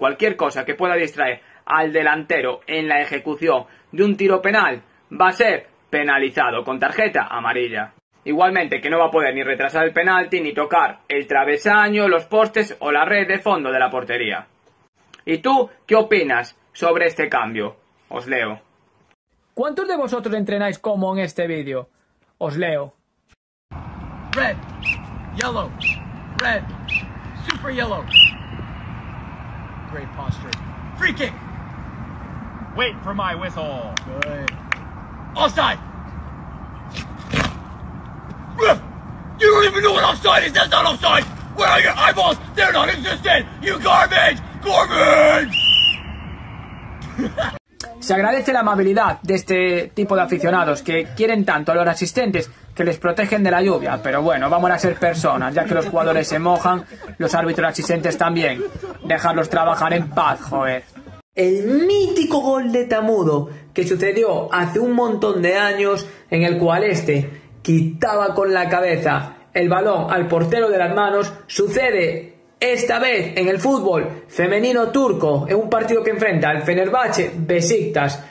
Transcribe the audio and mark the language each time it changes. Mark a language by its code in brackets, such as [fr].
[es] Cualquier cosa que pueda distraer al delantero en la ejecución de un tiro penal va a ser penalizado con tarjeta amarilla. Igualmente que no va a poder ni retrasar el penalti ni tocar el travesaño, los postes o la red de fondo de la portería. ¿Y tú qué opinas sobre este cambio? Os leo. ¿Cuántos de vosotros entrenáis como en este vídeo? Os leo. [en] Red, yellow, red, super yellow. Great posture. Free kick. Wait for my whistle. Good. Offside. Ref, you don't even know what offside is. That's not offside. Where are your eyeballs? They're non-existent. You garbage. Garbage. [es] Se agradece la amabilidad de este tipo de aficionados que quieren tanto a los asistentes que les protegen de la lluvia. Pero bueno, vamos a ser personas, ya que los jugadores se mojan, los árbitros asistentes también. Dejarlos trabajar en paz, joder. El mítico gol de Tamudo que sucedió hace un montón de años, en el cual este quitaba con la cabeza el balón al portero de las manos, sucede esta vez en el fútbol femenino turco, en un partido que enfrenta al Fenerbahçe Beşiktaş.